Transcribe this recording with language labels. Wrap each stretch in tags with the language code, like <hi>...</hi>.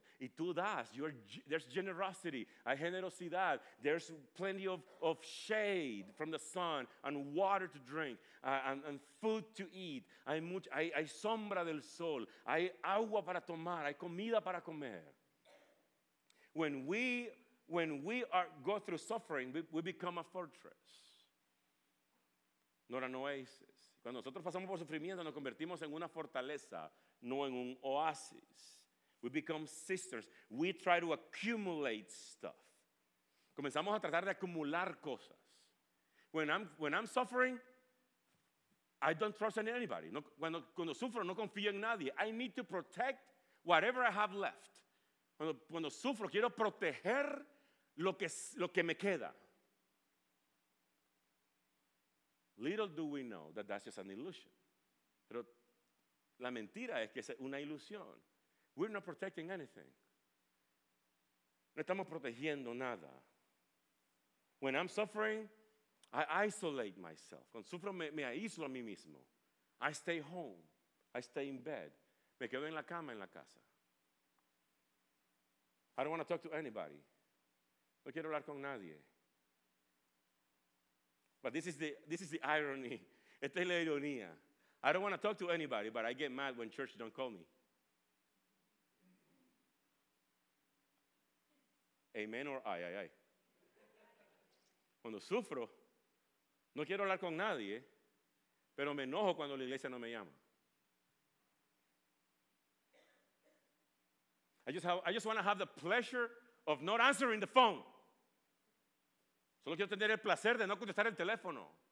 <es>Y tú das,</es> <en>there's generosity,</en> <es>hay generosidad,</es> <en>there's plenty of shade from the sun and water to drink and food to eat.</en> <es>Hay sombra del sol, hay agua para tomar, hay comida para comer.</es> <en>When we go through suffering, we become a fortress, not an oasis.</en> <es>Cuando nosotros pasamos por sufrimiento, nos convertimos en una fortaleza, no en un oasis.</es> <en>We become cisterns. We try to accumulate stuff.</en> <es>Comenzamos a tratar de acumular cosas.</es> <en>When I'm suffering, I don't trust in anybody.</en> <es>No, cuando sufro, no confío en nadie.</es> <en>I need to protect whatever I have left.</en> <es>Cuando sufro, quiero proteger lo que me queda.</es> <en>Little do we know that that's just an illusion.</en> <es>Pero la mentira es que es una ilusión.</es> <en>We're not protecting anything.</en> <es>No estamos protegiendo nada.</es> <en>When I'm suffering, I isolate myself.</en> <es>Cuando sufro, me aíslo a mí mismo.</es> <en>I stay home. I stay in bed.</en> <es>Me quedo en la cama en la casa.</es> <en>I don't want to talk to anybody.</en> <es>No quiero hablar con nadie.</es> <en>But this is the irony.</en> <es>Esta es la ironía.</es> <en>I don't want to talk to anybody, but I get mad when church don't call me. Amen or ay, ay, ay.</en> <es>Cuando sufro, no quiero hablar con nadie, pero me enojo cuando la iglesia no me llama.</es> <en>I just want to have the pleasure of not answering the phone.</en> <es>Solo quiero tener el placer de no contestar el teléfono.</es>